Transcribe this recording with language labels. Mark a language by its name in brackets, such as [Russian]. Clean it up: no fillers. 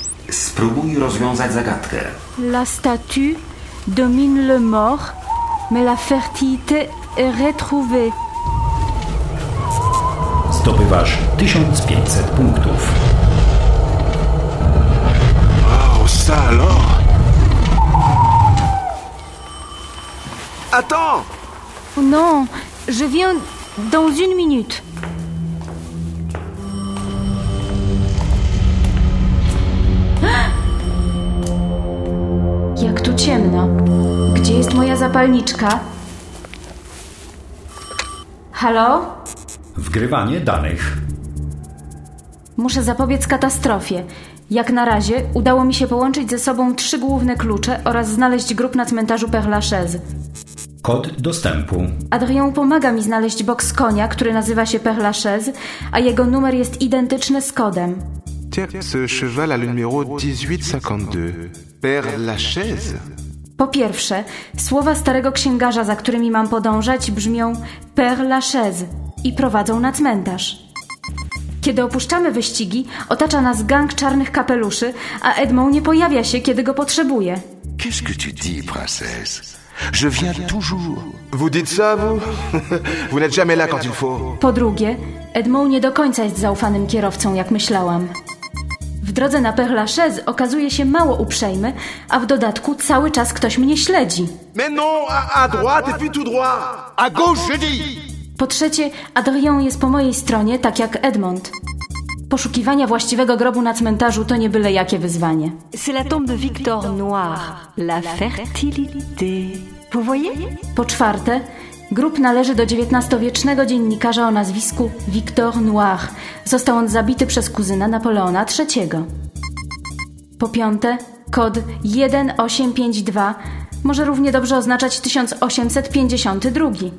[Polish] Spróbuj rozwiązać zagadkę. [French] La statue domine le mort, mais la fertilité est retrouvée. [Polish] Zdobywasz 1500 punktów. [French] Wow, ça alors? Attends! Non, je viens dans une minute. [Polish] Jak tu ciemno. Gdzie jest moja zapalniczka? Halo? Wgrywanie danych. Muszę zapobiec katastrofie. Jak na razie udało mi się połączyć ze sobą trzy główne klucze oraz znaleźć grób na cmentarzu Père Lachaise. Kod dostępu. Adrien pomaga mi znaleźć bok z konia, który nazywa się Père Lachaise, a jego numer jest identyczny z kodem. [French] Tiens, ce cheval a le numéro 1852. Père Lachaise. [Polish] Po pierwsze, słowa starego księgarza, za którymi mam podążać, brzmią Père Lachaise i prowadzą na cmentarz. Kiedy opuszczamy wyścigi, otacza nas gang czarnych kapeluszy, a Edmond nie pojawia się, kiedy go potrzebuje. [French] Qu'est-ce que tu dis, princesse? Je viens toujours. Vous dites ça, vous? Vous n'êtes jamais là quand il faut. [Polish] Po drugie, Edmond nie do końca jest zaufanym kierowcą, jak myślałam. W drodze na Père Lachaise okazuje się mało uprzejmy, a w dodatku cały czas ktoś mnie śledzi. [French] Mais non, à droite et puis tout droit. À gauche, je dis. [Polish] Po trzecie, Adrien jest po mojej stronie, tak jak Edmond. Poszukiwania właściwego grobu na cmentarzu to nie byle jakie wyzwanie. [French] C'est la tombe Victor Noir. La fertilité. Vous voyez? [Polish] Po czwarte, grób należy do XIX-wiecznego dziennikarza o nazwisku Victor Noir. Został on zabity przez kuzyna Napoleona III. Po piąte, kod 1852 może równie dobrze oznaczać 1852.